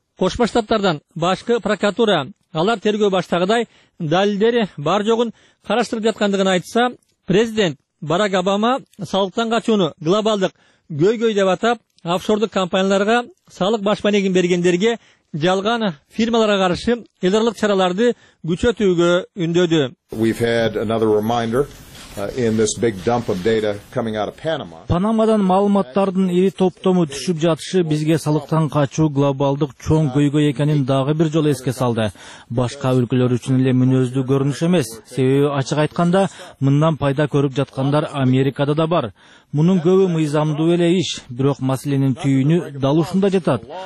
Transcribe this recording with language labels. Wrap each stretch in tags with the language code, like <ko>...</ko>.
<ky>Кошмо Штаттардан башкы прокуратура алар тергөө баштагыдай далилдери бар жогун караштырып жаткандыгын айтса, президент Барак Обама салыктан качууну глобалдык көйгөй деп атап, офшордук компанияларга салык башпанегин бергендерге жалган фирмаларга каршы эл аралык чараларды күчөтүүгө үндөдү.</ky> <en>We've had another reminder in this big dump of data coming out of Panama.</en> <ky>Панамадан маалыматтардын ири топтому түшүп жатышы бизге салыктан качуу глобалдык чоң көйгөй экенин дагы бир жолу эске салды. Башка өлкөлөр үчүн эле мүнөздүү көрүнүш эмес. Себеби ачык айтканда, мындан пайда көрүп жаткандар Америкада да бар. Мунун көбү мыйзамдуу эле иш, бирок маселенин түйүнү дал ушунда жатат.</ky>